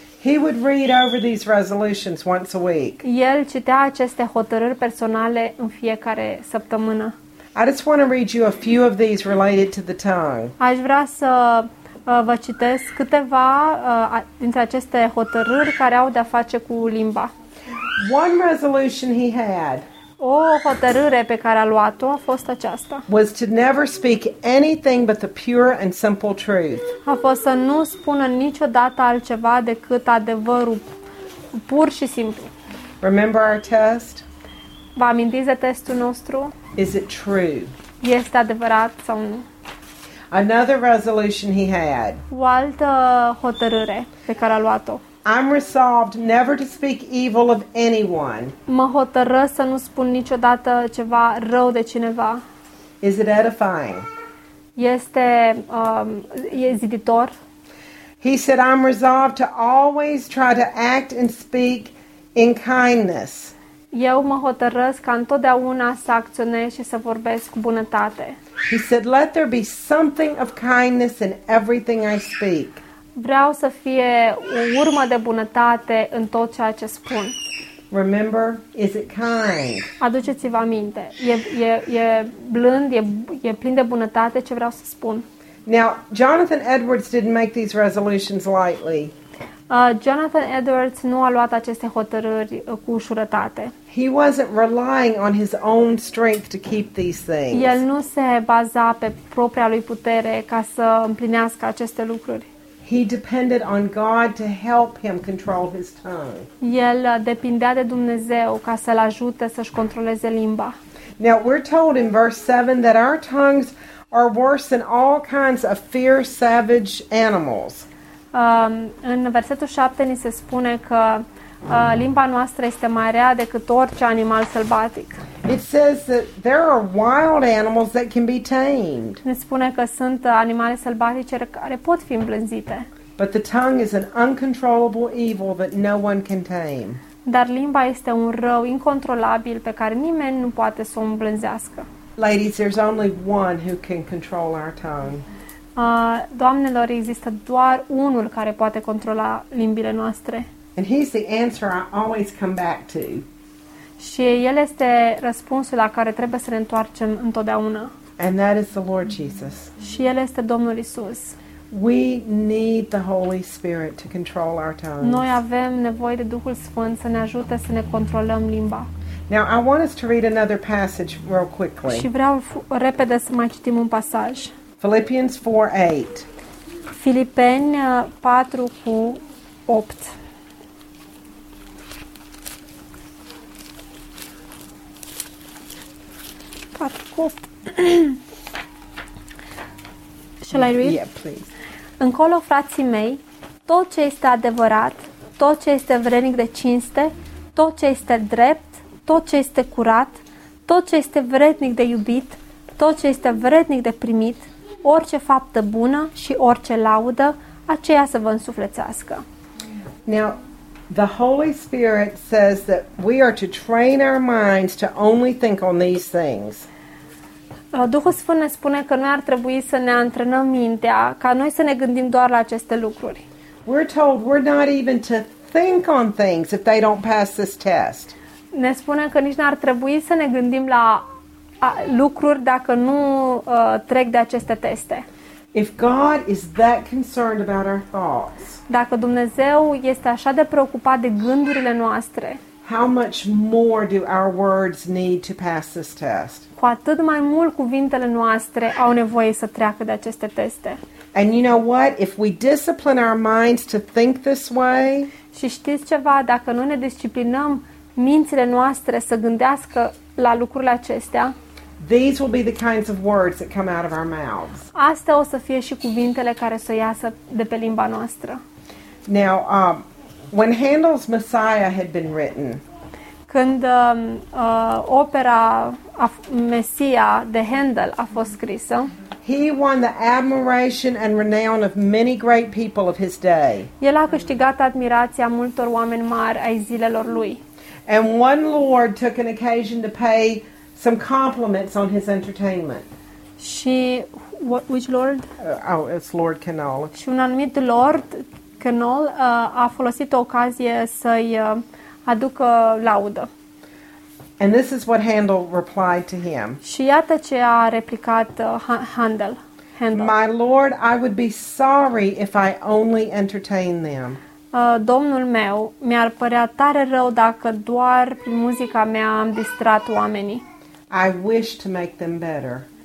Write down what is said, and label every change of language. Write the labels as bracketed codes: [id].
[en] He would read over these resolutions once a week. [ro] El citea aceste hotărâri personale în fiecare săptămână. [en] I just want to read you a few of these related to the tongue. [ro] Aș vrea să vă citesc câteva dintre aceste hotărâri care au de-a face cu limba. [en] One resolution he had. [ro] O hotărâre pe care a luat-o a fost aceasta. [en] Was to never speak anything but the pure and simple truth. [ro] A fost să nu spună niciodată altceva decât adevărul pur și simplu. [en] Remember our test? [ro] Vă amintiți de testul nostru? [en] Is it true? [ro] Este adevărat sau nu? [en] Another resolution he had. [ro] O altă hotărâre pe care a luat-o. [en] I'm resolved never to speak evil of anyone. [ro] Mă hotărăsc să nu spun niciodată ceva rău de cineva. [en] Is it edifying? [ro] Este ziditor? [en] He said I'm resolved to always try to act and speak in kindness. [ro] Eu mă hotărăsc ca întotdeauna să acționez și să vorbesc cu bunătate. [en] He said, let there be something of kindness in everything I speak. [ro] Vreau să fie o urmă de bunătate în tot ceea ce spun. [en] Remember, is it kind? [ro] Aduceți-vă aminte. E blând, e plin de bunătate ce vreau să spun. [en] Now, Jonathan Edwards didn't make these resolutions lightly. [ro] Jonathan Edwards nu a luat aceste hotărâri cu ușurătate. [en] He wasn't relying on his own strength to keep these things. [ro] El nu se baza pe propria lui putere ca să împlinească aceste lucruri. [en] He depended on God to help him control his tongue. [ro] El depindea de Dumnezeu ca să-l ajute să-și controleze limba. [en] Now we're told in verse 7 that our tongues are worse than all kinds of fierce, savage animals. [ro] În versetul 7 ni se spune că limba noastră este mai rea decât orice animal sălbatic. [en] It says that there are wild animals that can be tamed. [ro] Ne spune că sunt animale sălbatice care pot fi îmblânzite. [en] But the tongue is an uncontrollable evil that no one can tame. [ro] Dar limba este un rău incontrolabil pe care nimeni nu poate să o îmblânzească. [en] Ladies, there's only one who can control our tongue. [ro] Doamnelor, există doar unul care poate controla limbile noastre. [en] And he's the answer I always come back to. [ro] Și el este răspunsul la care trebuie să ne întoarcem întotdeauna. [en] And that is the Lord Jesus. [ro] Și el este Domnul Isus. [en] We need the Holy Spirit to control our tongues. [ro] Noi avem nevoie de Duhul Sfânt să ne ajute să ne controlăm limba. [en] Now I want us to read another passage real quickly. [ro] Și vreau repede să mai citim un pasaj. [en] Philippians 4:8. [ro] Filipeni 4 cu 8. [en] Shall I read? Yeah, please. [ro] Încolo, frații mei, tot ce este adevărat, tot ce este vrednic de cinste, tot ce este drept, tot ce este curat, tot ce este vrednic de iubit, tot ce este vrednic de primit, orice faptă bună și orice laudă, aceea să vă însuflețească. [en] Now, the Holy Spirit says that we are to train our minds to only think on these things. [ro] Duhul Sfânt ne spune că noi ar trebui să ne antrenăm mintea ca noi să ne gândim doar la aceste lucruri. [en] We're told we're not even to think on things if they don't pass this test. [ro] Ne spune că nici n-ar trebui să ne gândim la lucruri dacă nu trec de aceste teste. [en] If God is that concerned about our thoughts, [ro] dacă Dumnezeu este așa de preocupat de gândurile noastre, [en] how much more do our words need to pass this test? [ro] Cu atât mai mult cuvintele noastre au nevoie să treacă de aceste teste. [en] And you know what? If we discipline our minds to think this way, [ro] și știți ceva? Dacă noi ne disciplinăm mințile noastre să gândească la lucrurile acestea, [en] these will be the kinds of words that come out of our mouths. [ro] Astea o să fie și cuvintele care să iasă de pe limba noastră. [en] Now, when Handel's Messiah had been written, [ro] când opera Mesia de Handel a fost scrisă, [en] he won the admiration and renown of many great people of his day. [ro] El a câștigat admirația multor oameni mari ai zilelor lui. [en] And one lord took an occasion to pay some compliments on his entertainment. [ro] Și [en] which lord? Oh, it's Lord Canole. [ro] Și un anumit lord Canole a folosit o ocazie să-i aducă laudă. [en] And this is what Handel replied to him. [ro] Și iată ce a replicat Handel. [en] My lord, I would be sorry if I only entertain them. [ro] Domnul meu, mi-ar părea tare rău dacă doar prin muzica mea am distrat oamenii. [en] I wish to make them better.